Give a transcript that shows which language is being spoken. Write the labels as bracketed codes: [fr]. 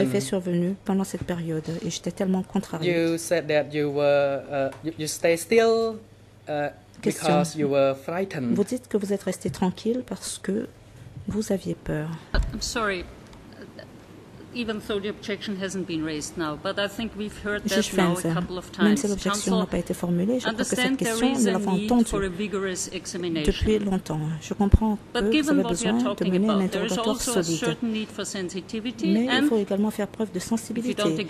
[fr] L'effet survenu pendant cette période et j'étais tellement contrariée. [en] You said that you were you stay still because you were frightened. [fr] Vous dites que vous êtes resté tranquille parce que vous aviez peur. [en] I'm sorry, even though the objection hasn't been raised now, but I think we've heard that now a couple of times. [fr] Même si l'objection n'a pas été formulée, je crois que cette question nous l'avons entendue depuis longtemps. Je comprends que vous avez besoin de mener un interrogatoire solide. Mais il faut également faire preuve de sensibilité.